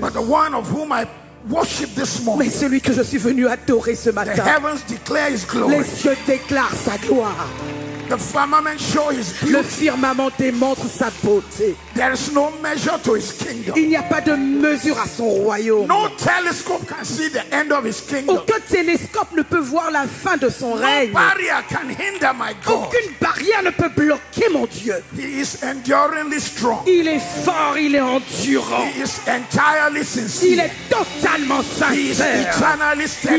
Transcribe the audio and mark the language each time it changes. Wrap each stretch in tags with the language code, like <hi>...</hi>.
<en>But the one of whom I worship this morning.</en> <fr>Mais celui que je suis venu adorer ce matin.</fr> <en>The heavens declare his glory.</en> <fr>Les cieux déclarent sa gloire.</fr> <en>The firmament show his beauty.</en> <fr>Le firmament démontre sa beauté.</fr> <en>There is no measure to his kingdom.</en> <fr>Il n'y a pas de mesure à son royaume.</fr> <en>No telescope can see the end of his kingdom.</en> <fr>Aucun télescope ne peut voir la fin de son règne.</fr> <en>No barrier can hinder my God.</en> <fr>Aucune barrière ne peut bloquer mon Dieu.</fr> <en>He is enduringly strong.</en> <fr>Il est fort, il est endurant.</fr> <en>He is entirely sincere.</en> <fr>Il est totalement sincère.</fr> <en>He is eternally steadfast.</en>